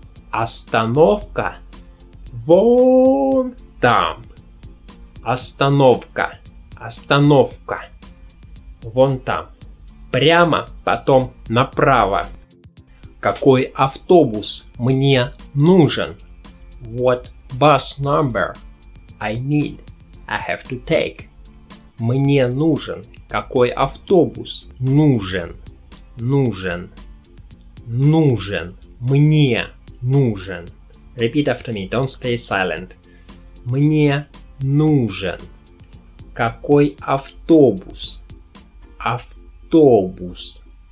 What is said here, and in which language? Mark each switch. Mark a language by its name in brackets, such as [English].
[Russian] Остановка вон там. Остановка, остановка вон там. Прямо, потом направо. Какой автобус мне нужен? [English] What bus number I need, I have to take? [Russian] Мне нужен. Какой автобус нужен? нужен. Нужен. Мне нужен. Repeat after me. [English] Don't stay silent. [Russian] Мне нужен. [English] Какой автобус? Автобус.